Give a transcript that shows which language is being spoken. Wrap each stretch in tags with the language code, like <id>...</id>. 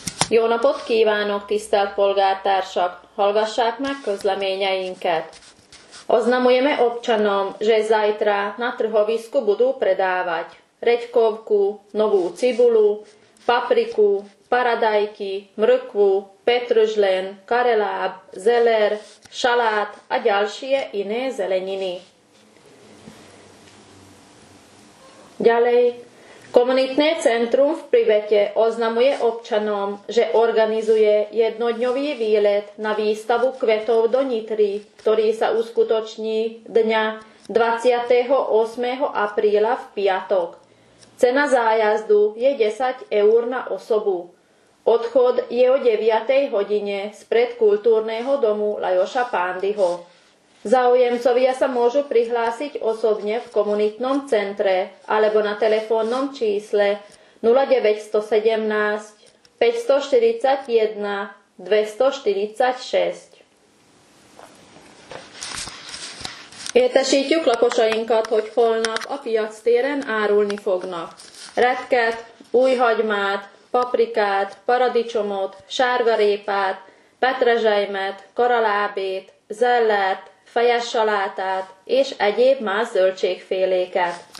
<hu>Jóna pod kívánok tisztelt polgártársak, hallgassák meg közleményeinket.</hu> <sk>Oznamujeme občanom, že zajtra na trhovisku budú predávať reďkovku, novú cibulu, papriku, paradajky, mrkvu, petržlen, kareláb, zeler, šalát a ďalšie iné zeleniny. Ďalej, komunitné centrum v Privete oznamuje občanom, že organizuje jednodňový výlet na výstavu kvetov do Nitry, ktorý sa uskutoční dňa 28. apríla v piatok. Cena zájazdu je 10 eur na osobu. Odchod je o 9. hodine spred kultúrneho domu Lajoša Pándyho. Záujemcovia sa môžu prihlásiť osobne v komunitnom centre alebo na telefónnom čísle 0917 541 246.</sk> <hu>Értesítjük lakosainkat, hogy holnap a piac téren árulni fognak. Retket, újhagymát, paprikát, paradicsomot, sárgarépát, petrezselymet, karalábét, zellert, fejes salátát és egyéb más zöldségféléket.</hu>